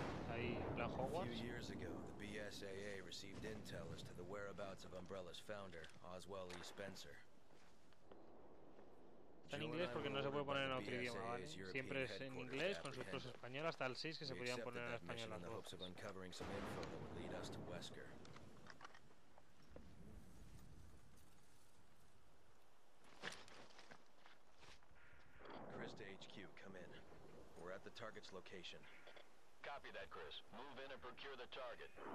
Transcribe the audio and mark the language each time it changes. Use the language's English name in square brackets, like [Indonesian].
[Spanish] Ahí, plan [English] Hogwarts. A few years ago, the BSAA received intel as to the whereabouts of Umbrella's founder, Oswell E. Spencer. [Spanish] Está en inglés porque no se puede poner en otro idioma, ¿vale? Siempre es en inglés con sus cosas españolas, hasta el 6 que se podían poner en español las dos. [English] Of uncovering some info that would lead us to Wesker. Chris to HQ, come in. We're at the target's location. Copy that, Chris. Move in and procure the target.